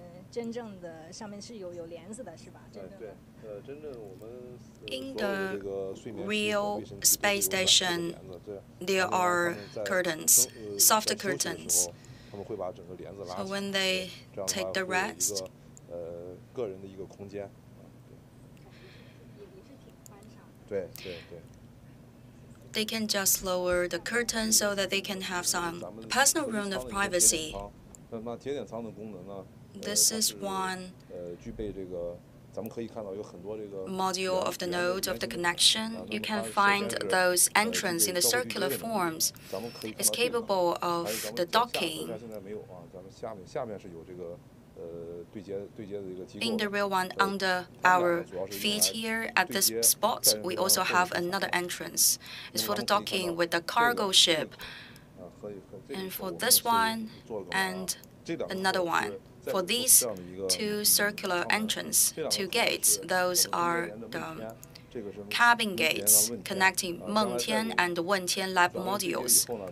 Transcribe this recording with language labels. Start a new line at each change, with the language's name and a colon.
Chinese: 真正的上面是有帘子的是吧，真的对，真正我们
English: in the real space station there are curtains, soft curtains, so when they take the rest,
Chinese: 个人的一个空间，
English: they can just lower the curtain so that they can have some personal room of privacy.
Chinese: 那铁点舱的功能呢，
English: This is one
Chinese: 具备这个，咱们可以看到有很多这个
English: module of the node of the connection. You can find those entrance in the circular forms. It's capable of the docking.
Chinese: 现在没有啊，咱们下面是有这个对接的一个机构。
English: In the real one, under our feet here at this spot, we also have another entrance. It's for the docking with the cargo ship. And for this one and another one. For these two circular entrance, two gates, those are the cabin gates connecting Mengtian and Wentian lab modules.